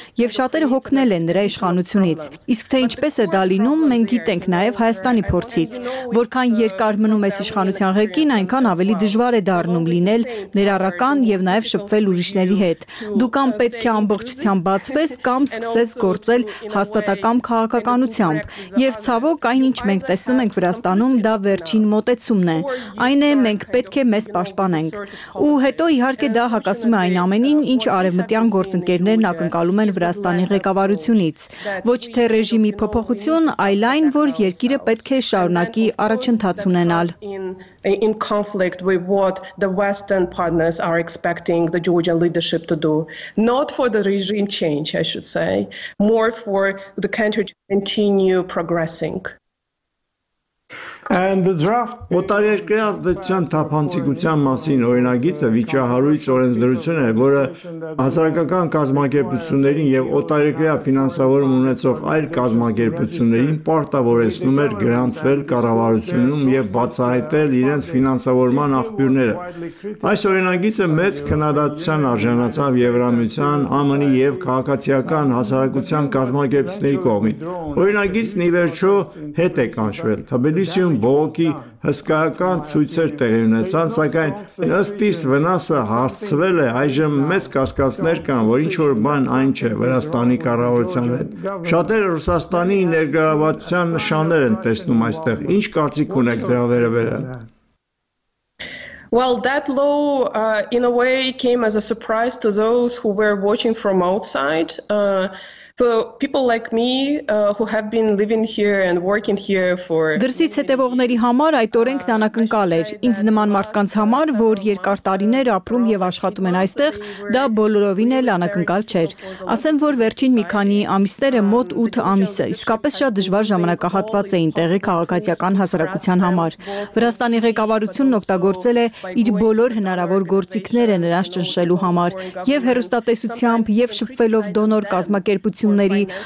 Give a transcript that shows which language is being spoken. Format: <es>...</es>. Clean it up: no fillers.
<hy>եւ շատերը հոգնել են նրա իշխանությունից։ Իսկ թե ինչպես է դա լինում, մենք գիտենք նաեւ Հայաստանի փորձից, որքան երկար մնում ես իշխանության ղեկին, այնքան ավելի դժվար է դառնում լինել ներառական եւ նաեւ շփվել ուրիշների հետ։ Դու կամ պետք է ամբողջությամբ բացվես, կամ սկսես գործել հաստատակամ քաղաքականությամբ։ Եվ ցավոք, այնինչ մենք տեսնում ենք Վրաստանում, դա վերջին մոտեցումն է։ Այն է, մենք պետք է մեզ պաշտպանենք։ Ու հետո իհարկե դա հակասում է այն ամենին, ինչ արևմտյան գործընկերներն ակնկալում են Վրաստանի ղեկավարությունից։ Ոչ թե ռեժիմի փոփոխություն, այլ այն, որ երկիրը պետք է շարունակի առաջընթաց ունենալ։</hy> <en>In conflict with what the Western partners are expecting the Georgian leadership to do, not for the regime change, I should say, more for the country to continue progressing. And the draft</en> <hy>օտարերկրյա դժան թափանցիկության մասին օրինագիծը վիճահարույց օրենսդրություն է, որը հասարակական կազմակերպություններին եւ օտարերկրյա ֆինանսավորում ունեցող այլ կազմակերպություններին պարտավորեցնում է գրանցվել կառավարությունում եւ բացահայտել իրենց ֆինանսավորման աղբյուրները։ Այս օրինագիծը մեծ քննադատության արժանացավ Եվրամիության, ԱՄՆ-ի եւ քաղաքացիական հասարակության կազմակերպությունների կողմից։ Օրինագիծն ի վերջո հետ է կանչվել Թբիլիսիում, բողոքի հսկայական ցույցեր տեղի ունեցան, սակայն ըստ իս վնասը հարցվել է, այժմ մեծ կասկածներ կան, որ ինչ-որ բան այն չէ Վրաստանի կառավարության հետ։ Շատերը Ռուսաստանի ներգրավվածության նշաններ են տեսնում այստեղ։ Ինչ կարծիք ունեք դրա վերաբերյալ։</hy> <en>Well, that law, in a way, came as a surprise to those who were watching from outside. For people like me who have been living here and working here for</en> <hy>Դրսից հետևողների համար այդ օրենքն անակնկալ էր։ Ինձ նման մարդկանց համար, որ երկար տարիներ ապրում եւ աշխատում են այստեղ, դա բոլորովին էլ անակնկալ չէր։ Ասեմ, որ վերջին մի քանի ամիսները, մոտ 8 ամիսը, իսկապես շատ դժվար ժամանակահատված էին տեղի քաղաքացիական հասարակության համար։ Վրաստանի ղեկավարությունն օգտագործել է իր բոլոր հնարավոր գործիքները նրանց ճնշելու համար, եւ հերոստատեսությամբ, եւ շփվելով դոնոր կազմակերպ ությունների,</hy>